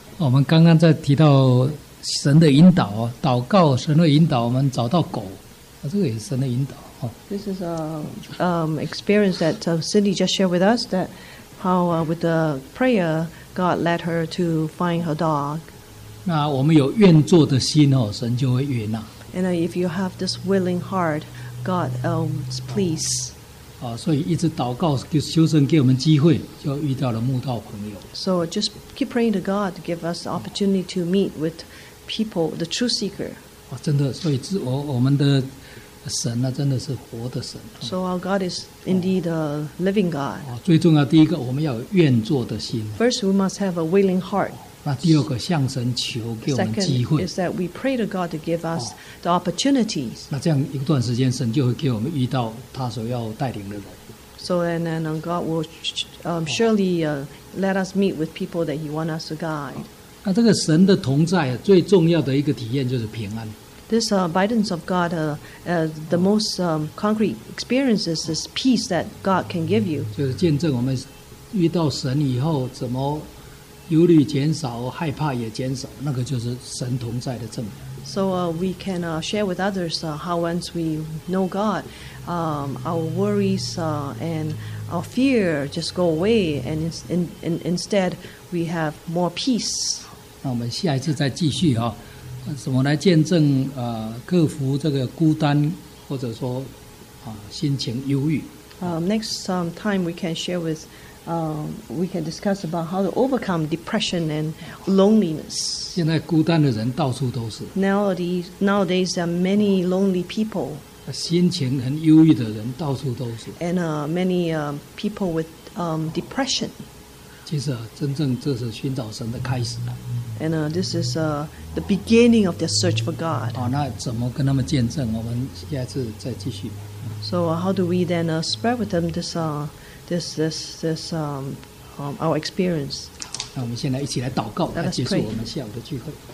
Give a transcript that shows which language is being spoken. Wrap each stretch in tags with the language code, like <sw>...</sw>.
<zh>我们刚刚在提到神的引导，祷告神的引导，我们找到狗，这个也是神的引导。</zh> <en>This is experience that Cindy just shared with us, that how with the prayer, God led her to find her dog.</en> <zh>那我们有愿做的心哦，神就会悦纳。</zh> <en>And if you have this willing heart, God is pleased.</en> <zh>所以一直祷告，求神给我们机会，就遇到了慕道朋友。</zh> <en>So just keep praying to God to give us the opportunity to meet with people, the true seeker.</en> <zh>真的，所以我们的神呢，真的是活的神。</zh> <en>So our God is indeed a living God.</en> <zh>最重要第一个，我们要有愿做的心。</zh> <en>First, we must have a willing heart.</en> <zh>那第二个向神求给我们机会</zh> <en>Second is that we pray to God to give us the opportunities</en> <zh>那这样一段时间神就会给我们遇到他所要带领的人</zh> <en>So and then God will surely let us meet with people that he want us to guide</en> <zh>那这个神的同在最重要的一个体验就是平安</zh> <en>This abidance of God the most concrete experience is this peace that God can give you</en> <zh>就是见证我们遇到神以后怎么忧虑减少，害怕也减少，那个就是神同在的证明。</zh> <en>So we can share with others how once we know God, our worries and our fear just go away, and instead we have more peace.</en> <zh>那我们下一次再继续哈，怎么来见证克服这个孤单，或者说心情忧郁。</zh> <en>Next time we can share with, we can discuss about how to overcome depression and loneliness.</en> <zh>现在孤单的人到处都是。</zh> <en>Nowadays there are many lonely people.</en> <zh>心情很忧郁的人到处都是。</zh> <en>And many people with depression.</en> <zh>其实真正这是寻找神的开始。</zh> <en>And this is the beginning of their search for God.</en> <zh>那怎么跟他们见证？我们下次再继续。</zh> <en>So how do we then spread with them this our experience?</en> <zh>那我们现在一起来祷告，来结束我们下午的聚会。</zh>